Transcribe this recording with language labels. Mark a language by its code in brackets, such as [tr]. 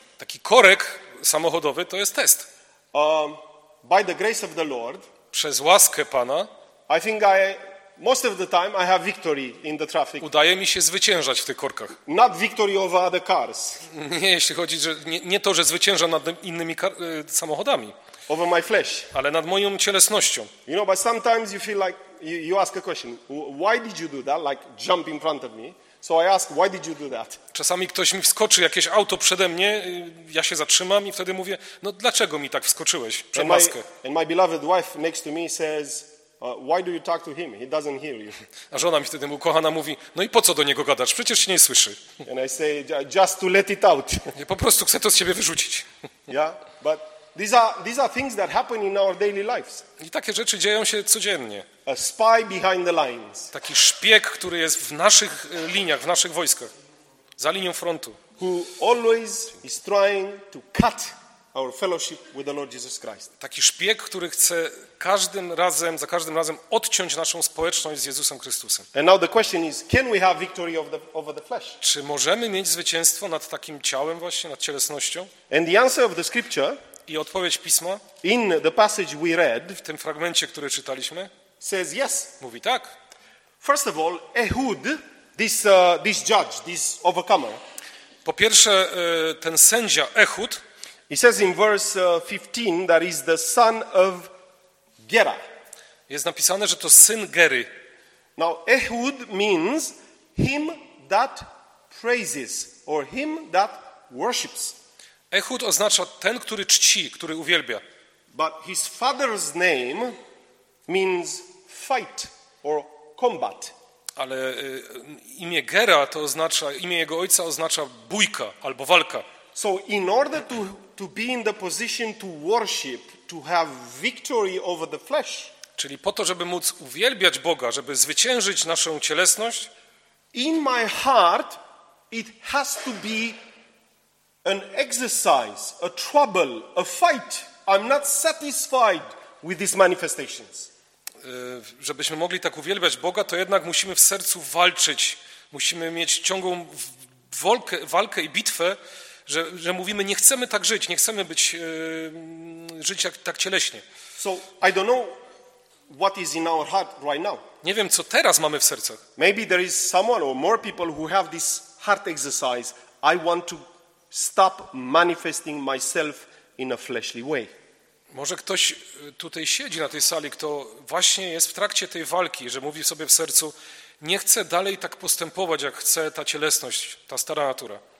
[pl] Taki korek samochodowy to jest test. [en] By the grace of the Lord. [pl] Przez łaskę Pana. [en] I think I most of the time I have victory in the traffic. [pl] Udaje mi się zwyciężać w tych korkach. [en] Not victory over other cars. [pl] Nie, jeśli chodzi, że nie to, że zwyciężam nad innymi samochodami. [en] Over my flesh. [pl] Ale nad moją cielesnością. [en] You know, but sometimes you feel like you ask a question. Why did you do that? Like jump in front of me. So I ask, why did you do that? [pl] Czasami ktoś mi wskoczy, jakieś auto przede mnie, ja się zatrzymam i wtedy mówię, no dlaczego mi tak wskoczyłeś przed maskę? [en] And my beloved wife next to me says, Why do you talk to him? He doesn't hear you. [pl] A żona mi wtedy ukochana mówi, no i po co do niego gadasz? Przecież się nie słyszy. [en] And I say, just to let it out. [pl] Ja po prostu chcę to z siebie wyrzucić. [en] Yeah, but these are things that happen in our daily lives. [pl] I takie rzeczy dzieją się codziennie. [en] A spy behind the lines. [pl] Taki szpieg, który jest w naszych liniach, w naszych wojskach, za linią frontu. [en] Who always is trying to cut our fellowship with the Lord Jesus Christ. [pl] Taki szpieg, który chce każdym razem, za każdym razem odciąć naszą społeczność z Jezusem Chrystusem. [en] And now the question is, can we have victory over the flesh? [pl] Czy możemy mieć zwycięstwo nad takim ciałem właśnie, nad cielesnością? [en] And the answer of the scripture, [pl] i odpowiedź pisma, [en] in the passage we read, [pl] w tym fragmencie, który czytaliśmy, [en] says yes. [pl] Mówi tak. [en] First of all, Ehud, this judge, this overcomer. [pl] Po pierwsze, ten sędzia Ehud. [en] He says in verse 15 that he's the son of Gera. [pl] Jest napisane, że to syn Gery. [en] Now Ehud means him that praises or him that worships. [pl] Ehud oznacza ten, który czci, który uwielbia. [en] But his father's name means fight or combat. [pl] Ale imię Gera to oznacza, imię jego ojca oznacza bójka albo walka. [en] So in order to be in the position to worship, to have victory over the flesh. [pl] Czyli po to, żeby móc uwielbiać Boga, żeby zwyciężyć naszą cielesność. [en] In my heart it has to be an exercise, a trouble, a fight. I'm not satisfied with these manifestations. [pl] Żebyśmy mogli tak uwielbiać Boga, to jednak musimy w sercu walczyć. Musimy mieć ciągłą walkę i bitwę. Że mówimy, nie chcemy tak żyć, nie chcemy być żyć tak cieleśnie. [en] So I don't know what is in our heart right now. [pl] Nie wiem, co teraz mamy w sercach. [en] Maybe there is someone or more people who have this heart exercise. I want to stop manifesting myself in a fleshly way. [pl] Może ktoś tutaj siedzi na tej sali, kto właśnie jest w trakcie tej walki, że mówi sobie w sercu, nie chcę dalej tak postępować, jak chce ta cielesność, ta stara natura.